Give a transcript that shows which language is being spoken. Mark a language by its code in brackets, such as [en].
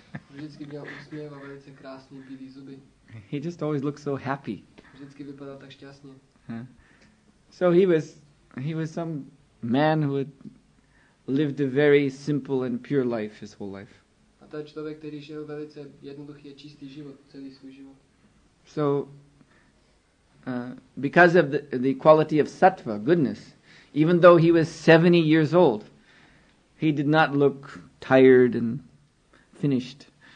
[cs] Vždycky měl úsměv a velice krásné bílé zuby. [en] He just always looked so happy. [cs] Vždycky vypadal tak šťastně. [en] So he was some man who had lived a very simple and pure life his whole life. [cs] A ten člověk, který žil velice jednoduchý a čistý život, celý svůj život. [en] So because of the quality of sattva, goodness, even though he was 70 years old, he did not look tired and finished.